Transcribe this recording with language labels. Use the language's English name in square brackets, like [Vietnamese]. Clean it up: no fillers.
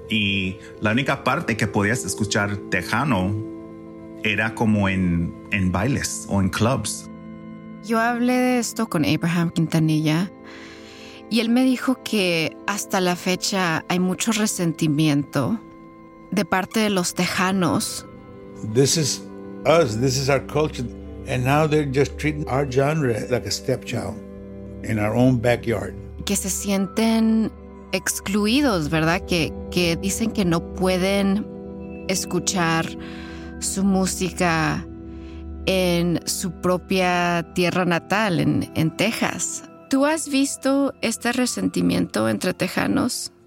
[Spanish] Y la única parte que podías escuchar tejano era como en bailes o en clubs. Yo hablé de esto con Abraham Quintanilla y él me dijo que hasta la fecha hay mucho resentimiento de parte de los tejanos. [English] This is us. This is our culture. And now they're just treating our genre like a stepchild in our own backyard. [Spanish] Que se sienten excluidos, ¿verdad? Que dicen que no pueden escuchar su música en su propia tierra natal, en Texas. ¿Tú has visto este resentimiento entre tejanos?